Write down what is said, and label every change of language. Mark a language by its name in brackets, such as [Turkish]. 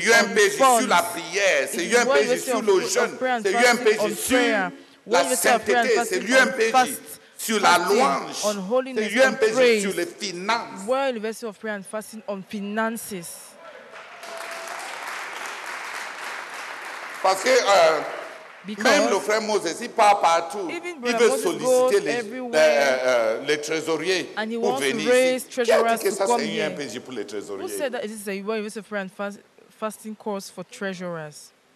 [French] C'est UMPJ sur la prière. C'est UMPJ sur le jeûne. C'est UMPJ sur la sainteté. C'est UMPJ sur la louange. C'est UMPJ sur les finances. [English] World University of Prayer and Fasting on finances. [French] Parce que même le frère Moses, il part partout. Il veut solliciter les trésoriers pour venir ici. Qui a dit que ça, c'est [English] here? [French] UMPJ pour les trésoriers? [English] Who said that this is a World University of Prayer and Fasting course for treasurers?